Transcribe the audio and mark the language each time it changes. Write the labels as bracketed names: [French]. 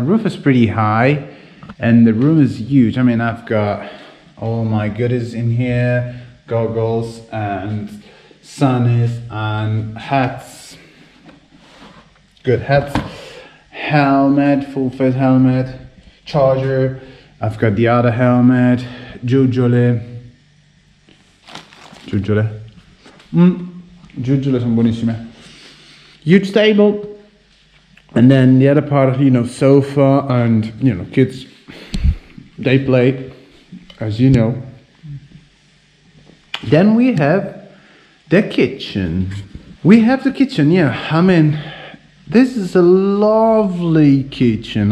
[English] Roof is pretty high, and the room is huge. I mean, I've got all my goodies in here, goggles and sunnies and hats, good hats, helmet, full face helmet, charger. I've got the other helmet, [Italian] giuggiole, giuggiole sono buonissime. [English] Huge table, and then the other part, you know, sofa, and you know, kids, they play. As you know, then we have the kitchen. We have the kitchen, yeah. I mean, this is a lovely kitchen.